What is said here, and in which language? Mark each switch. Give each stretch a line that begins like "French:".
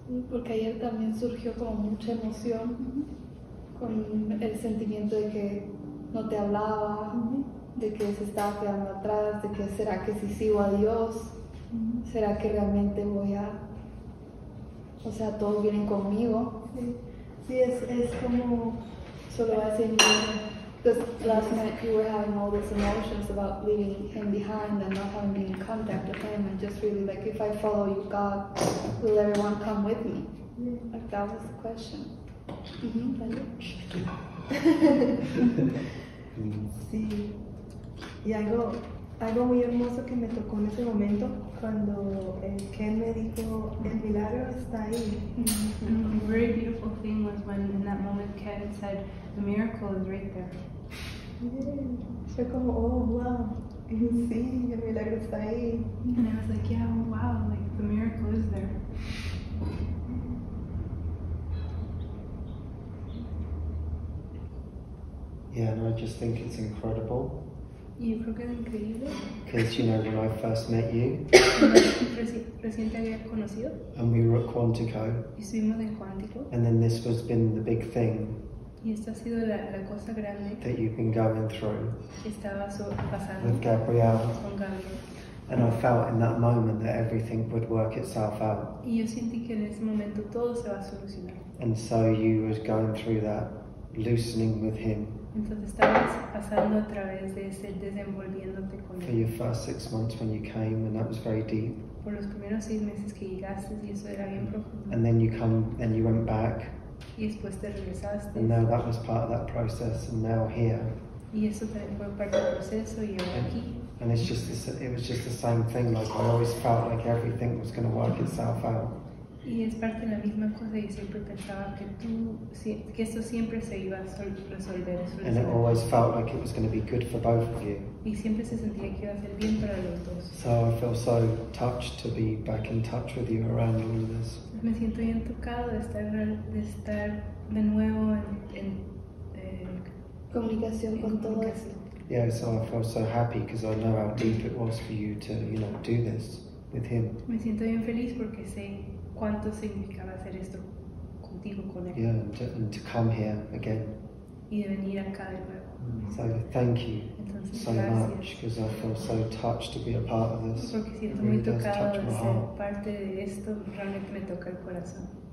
Spanish: Porque ayer también surgió como mucha emoción con el sentimiento de que no te hablaba, de que se estaba quedando atrás, de que será que si sigo a Dios, será que realmente voy a, o sea, todos vienen conmigo. Sí, es como solo hace entonces
English: last night you were having all these emotions about leaving him behind and not having been in contact with him and just really like if I follow you God will everyone come with me, like that was the question.
Spanish: Sí, y algo muy hermoso que me tocó en ese momento cuando Ken me dijo el milagro está ahí.
English: A very beautiful thing was when in that moment Ken said the miracle is right there.
Spanish: Fue como oh wow, sí, el milagro está ahí.
English: And I was like yeah, oh wow, like the miracle is there. Yeah, and I just think it's incredible.
Spanish: Yo creo que es increíble.
English: Because you know when I first met you.
Spanish: Recién te había conocido.
English: And we were at Quantico.
Spanish: Y estuvimos en Quantico.
English: And then this has been the big thing.
Spanish: Y esta ha sido la cosa grande.
English: That you've been going through.
Spanish: Estaba pasando.
English: With Gabriel.
Spanish: Con Gabriel.
English: And I felt in that moment that everything would work itself out.
Spanish: Y yo sentí que en ese momento todo se va a solucionar.
English: And so you was going through that loosening with him.
Spanish: Entonces estabas pasando a través de ese desenvolviéndote con él.
English: For your first 6 months when you came, and that was very deep.
Spanish: Por los primeros 6 meses que llegaste, y eso era bien profundo.
English: And then you come, and you went back.
Spanish: Y después te regresaste.
English: And now that was part of that process, and now here.
Spanish: Y eso también fue parte del proceso y ahora aquí.
English: And it's just this, it was just the same thing. Like I always felt like everything was going to work itself out.
Spanish: Y es parte de la misma cosa, y siempre pensaba que tú, que esto siempre se iba a resolver.
English: And it always felt like it was going to be good for both of you.
Spanish: Y siempre se sentía que iba a ser bien para los dos.
English: So I feel so touched to be back in touch with you around all of this.
Spanish: Me siento bien tocado de estar de nuevo en comunicación con todo esto.
English: Yeah, so I feel so happy because I know how deep it was for you to, you know, do this with him.
Spanish: Me siento bien feliz porque sé cuánto significaba hacer esto contigo, con él.
English: Yeah, and to come here again.
Spanish: Y de venir acá de nuevo.
English: So thank you.
Spanish: Entonces, so gracias.
English: Much because I feel so touched to be a part of this.
Spanish: Porque siento muy tocado de ser parte de esto, realmente me toca el corazón.